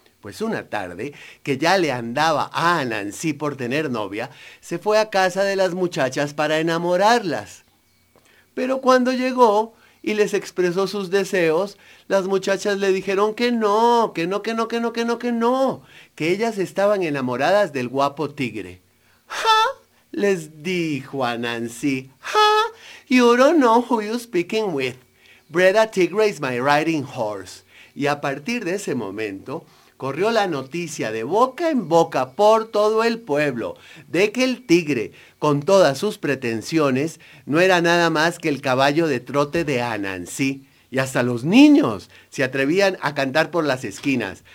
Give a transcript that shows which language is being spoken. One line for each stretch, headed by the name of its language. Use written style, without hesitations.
Spanish: Pues una tarde, que ya le andaba a Anansi por tener novia, se fue a casa de las muchachas para enamorarlas. Pero cuando llegó y les expresó sus deseos, las muchachas le dijeron que no, que no, que no, que no, que no, que no, que ellas estaban enamoradas del guapo tigre. ¡Ja! Les dijo Anansi. ¡Ja!
English: You don't know who you're speaking with. Bred a Tigra is my riding horse.
Spanish: Y a partir de ese momento, corrió la noticia de boca en boca por todo el pueblo de que el tigre, con todas sus pretensiones, no era nada más que el caballo de trote de Anansi. Y hasta los niños se atrevían a cantar por las esquinas.